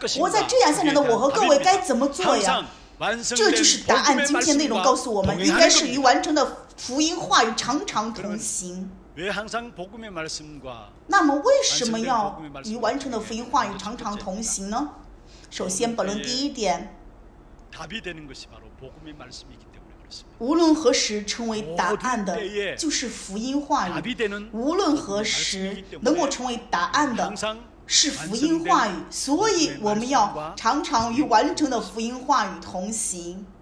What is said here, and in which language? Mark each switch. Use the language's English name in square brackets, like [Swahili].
[Chinese] 活在这样现场的我和各位该怎么做呀？这就是答案。今天内容告诉我们，应该是与完成的福音话语常常同行。 [Korean] 왜 항상 복음의 말씀과 [Chinese] 那么为什么要与完成的福音话语常常同行呢？首先，本论第一点， [Korean] 답이 되는 것이 바로 복음의 말씀이기 때문에 그렇습니다. [Chinese] 无论何时成为答案的，就是福音话语。无论何时能够成为答案的，是福音话语。所以，我们要常常与完成的福音话语同行。